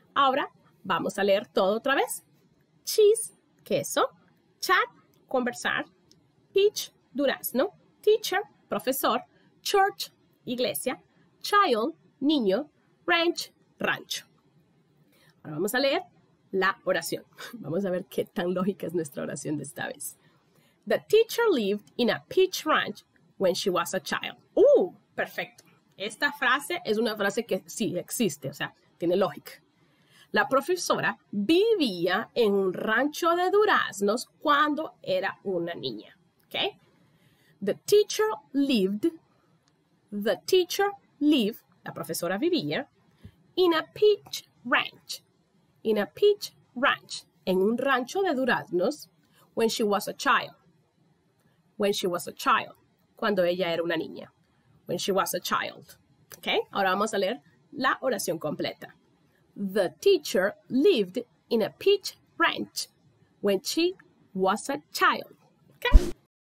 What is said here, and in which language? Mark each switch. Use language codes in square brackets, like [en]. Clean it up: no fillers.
[es] Ahora vamos a leer todo otra vez. Cheese, queso, chat, conversar, peach, durazno, teacher, profesor, church, iglesia, child, niño, ranch, rancho. Ahora vamos a leer la oración. Vamos a ver qué tan lógica es nuestra oración de esta vez. [en] The teacher lived in a peach ranch when she was a child. [es] Perfecto. Esta frase es una frase que sí existe, o sea, tiene lógica. La profesora vivía en un rancho de duraznos cuando era una niña. Okay? [en] The teacher lived, [es] la profesora vivía, [en] in a peach ranch, [es] en un rancho de duraznos, [en] when she was a child, [es] cuando ella era una niña, when she was a child. Okay, ahora vamos a leer la oración completa. [en] The teacher lived in a peach ranch when she was a child. Okay.